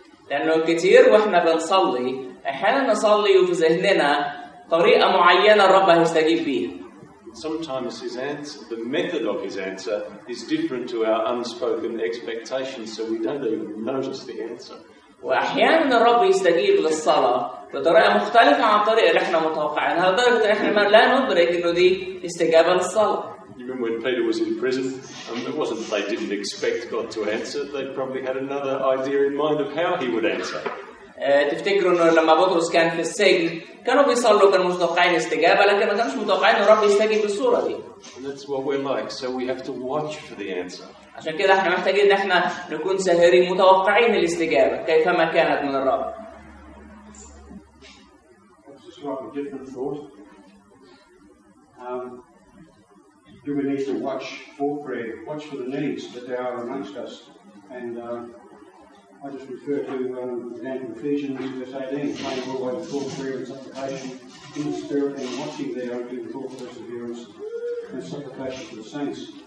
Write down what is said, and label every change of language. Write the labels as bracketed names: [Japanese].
[Arabic] لانه كتير واحنا بنصلي احيانا نصلي وفي ذهننا طريقه معينه الرب هيستجيب بيها. [English] Sometimes his answer, the method of his answer, is different to our unspoken expectations, so we don't even notice the answer. [Arabic] وأحيانًا الرب يستجيب للصلاة بطريقة مختلفة عن الطريقة اللي إحنا متوقعينها لدرجة إحنا ما لا ندرك إنه دي استجابة للصلاة. [English] You remember when Peter was in prison? It wasn't that they didn't expect God to answer; they probably had another idea in mind of how he would answer. [Arabic] تفتكروا إنه لما بطرس كان في السجن كانوا بيصلوا كانوا متوقعين استجابة لكن ما كانوش متوقعين الرب يستجيب بالصورة دي. [English] That's what we're like, so we have to watch for the answer. [Arabic] عشان كده إحنا محتاجين إن إحنا نكون ساهرين متوقعين الاستجابة كيفما كانت من الرب. [English] slightly different thought. Do we need to watch for prayer, watch for the needs that there are amongst us? And I just refer to Ephesians verse 18, praying always with all prayer and supplication in the Spirit, and watching there, giving all perseverance and supplication for the saints.